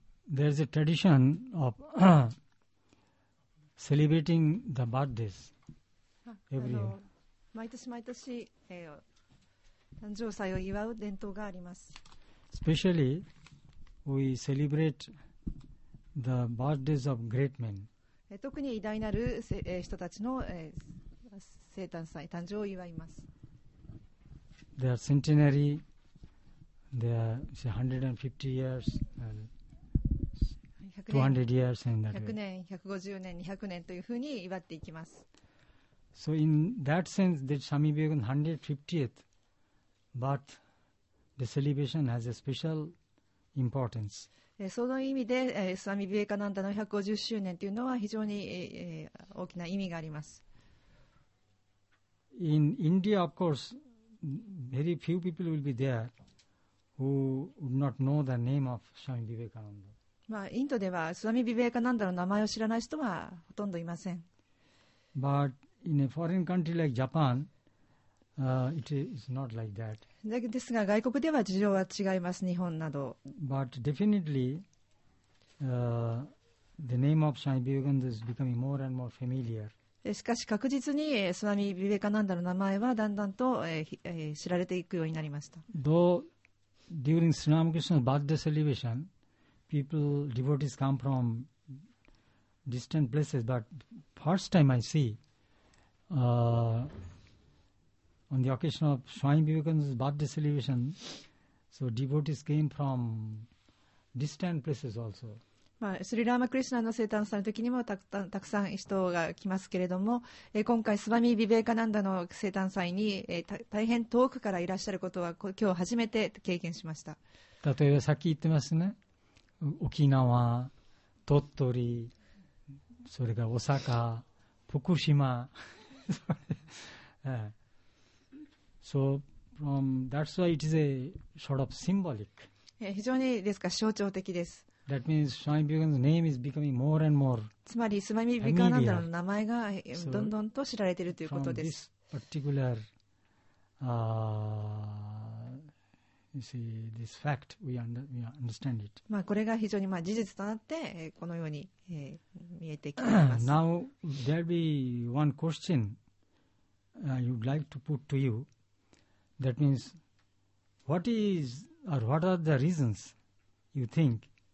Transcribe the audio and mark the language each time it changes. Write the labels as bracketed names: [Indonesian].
[English] there is a tradition of celebrating the birthdays every year. [Japanese] 毎年毎年、誕生祭を祝う伝統があります。 [English] Especially, we celebrate the birthdays of great men. [Japanese] 特に偉大なる、人たちの、生誕祭、誕生を祝います。 [English] They are centenary, they are 150 years and 200 years in that [Japanese] 100年、150年、200年というふうに祝っていきます。 [English] So in that sense, the Swami Vivekananda 150th birth, the celebration has a special importance. [Japanese] その意味で、Swami Vivekananda の150周年というのは非常に、大きな意味があります。 [English] In India, of course, very few people will be there who would not know the name of Swami Vivekananda. [Japanese] まあ、インドではスワミ・ビベーカナンダの名前を知らない人はほとんどいません。 [English] But in a foreign country like Japan, it is not like that. [Japanese] ですが外国では事情は違います。日本など [English] But definitely, the name of Swami Vivekananda is becoming more and more familiar. [Japanese] しかし確実にスワミ・ビベーカナンダの名前はだんだんと、知られていくようになりました。 [English] Though during Sri Ramakrishna's birthday celebrationPeople, devotees come from distant places, but first time I see on the occasion of Swami Vivekananda's birthday celebration, so devotees came from distant places also. [Japanese] まあ、スリラーマクリシュナの生誕祭の時にもたくさん人が来ますけれども、今回スワミビベーカナンダの生誕祭に、大変遠くからいらっしゃることは今日初めて経験しました。例えばさっき言ってますね、沖縄、鳥取、それから大阪、福島 [English] So that's why it is a sort of symbolic. [Japanese] 非常にですか、象徴的です。 [English] That means Swami Vivekananda's name is becoming more and more. [Japanese] つまりスワミビカナンダの名前がどんどんと知られているということです。 [English] So, from this particular, you see this fact, we understand it. [Japanese] まあこれが非常にまあ事実となってこのように見えてきています。 [English] Now there be one question you'd like to put to you. That means what is or what are the reasons you think?